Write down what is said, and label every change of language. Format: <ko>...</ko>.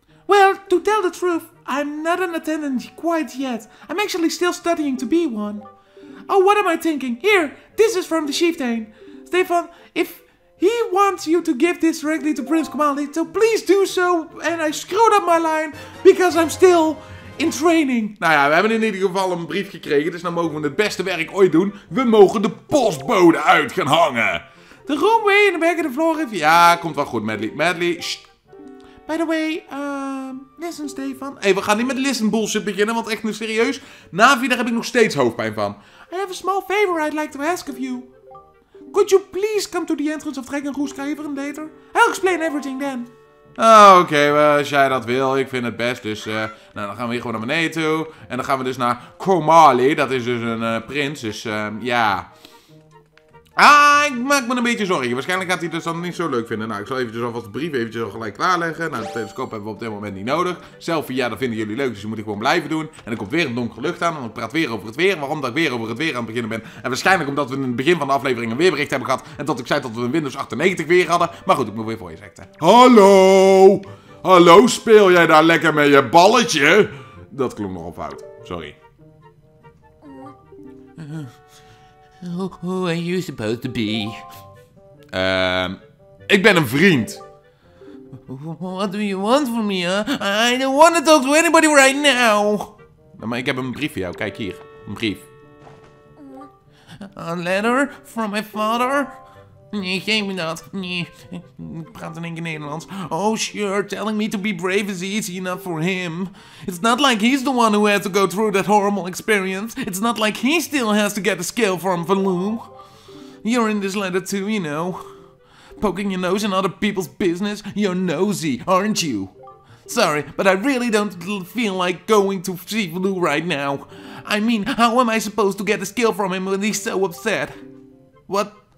<en>Well, to tell the truth, I'm not an attendant quite yet. I'm actually still studying to be one. Oh, what am I thinking? Here, this is from the chieftain. Stefan, if he wants you to give this directly to Prince Kamali, so please do so. And I screwed up my line because I'm still... In training.</en> <nl>Nou ja, we hebben in ieder geval een brief gekregen. Dus dan mogen we het beste werk ooit doen. We mogen de postbode uit gaan hangen. De roomway in de back of the floor. Ja, komt wel goed, Medley. Medley, shh.</nl> <en>By the way, listen, Stefan.</en> <nl>Hé, we gaan niet met listen bullshit beginnen. Want echt, nu serieus. Navi, daar heb ik nog steeds hoofdpijn van.</nl> <en>I have a small favor I'd like to ask of you. Could you please come to the entrance of Dragon Roost Kyver and later? I'll explain everything then.</en> <nl>Oké, als jij dat wil, ik vind het best, dus nou, dan gaan we hier gewoon naar beneden toe. En dan gaan we dus naar Komali, dat is dus een prins, dus ja. Ah, ik maak me een beetje zorgen, waarschijnlijk gaat hij dus dan niet zo leuk vinden. Nou, ik zal eventjes alvast de brief eventjes al gelijk klaarleggen. Nou, de telescoop hebben we op dit moment niet nodig. Selfie, ja, dat vinden jullie leuk, dus je moet ik gewoon blijven doen. En er komt weer een donkere lucht aan, en ik praat weer over het weer. Waarom dat ik weer over het weer aan het beginnen ben? En waarschijnlijk omdat we in het begin van de aflevering een weerbericht hebben gehad. En dat ik zei dat we een Windows 98 weer hadden. Maar goed, ik moet weer voor je zetten. Hallo! Hallo, speel jij daar lekker met je balletje? Dat klonk nogal fout, sorry.</nl> <en>Who are you supposed to be?</en> <nl>Ik ben een vriend.</nl> <en>What do you want from me, huh? I don't want to talk to anybody right now.</en> <nl>Nou, maar ik heb een brief voor jou. Kijk hier. Een brief.</nl> <en>A letter from my father?</en> <nl>Nee, geef me dat. Nee. Ik praat in één keer Nederlands.</nl> <en>Oh, sure. Telling me to be brave is easy enough for him. It's not like he's the one who had to go through that horrible experience. It's not like he still has to get a skill from Valoo. You're in this letter too, you know. Poking your nose in other people's business? You're nosy, aren't you? Sorry, but I really don't feel like going to see Valoo right now. I mean, how am I supposed to get a skill from him when he's so upset? What?</en>